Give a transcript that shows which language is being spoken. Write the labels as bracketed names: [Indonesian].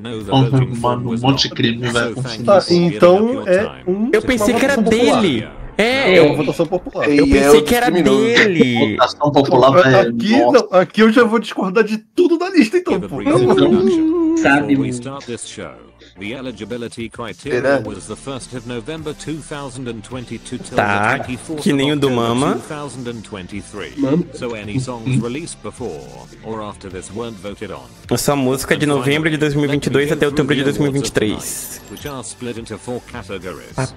[Portuguese] Um monte de crime vai acontecer. Então é eu pensei que era dele. É, é uma votação popular. Eu pensei que era dele. Votação popular, velho. Aqui, não, aqui eu já vou discordar de tudo da lista, então, pô. Sabe, [English] The eligibility criteria was the 1st of November 2022 till the 24th of October 2023. So any songs released before or after this weren't voted on. [Portuguese] Essa música de novembro de 2022 até outubro de 2023. [English] Which are split into four categories.